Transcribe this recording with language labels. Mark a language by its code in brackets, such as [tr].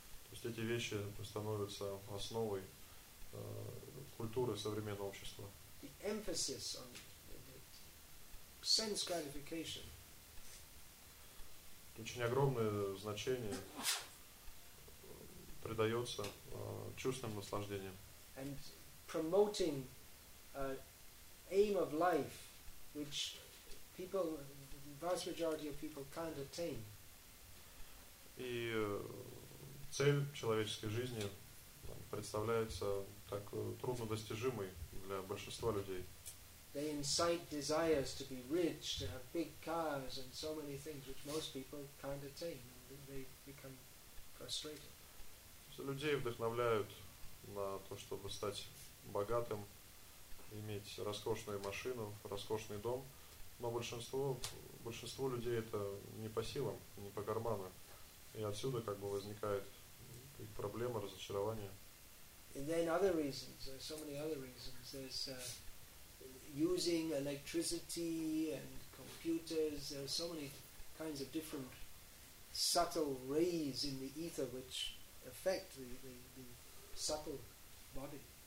[ru] То есть эти вещи становятся основой культуры современного общества. [en] The emphasis on sense gratification. [ru] Очень огромное значение придается чувственным наслаждениям. [en] And promoting aim of life, which people, vast majority of people can't attain. [ru] И цель человеческой жизни представляется так труднодостижимой для большинства людей. [en] They incite desires to be rich, to have big cars and so many things which most people can't attain. They become frustrated. [ru] Людей вдохновляют на то, чтобы стать богатым, иметь роскошную машину, роскошный дом, но большинство людей это не по силам, не по карману. И отсюда как бы возникает проблема, разочарование. [en] And then other reasons, there are so many other reasons. There's using electricity and computers, there are so many kinds of different subtle rays in the ether which affect the subtle body.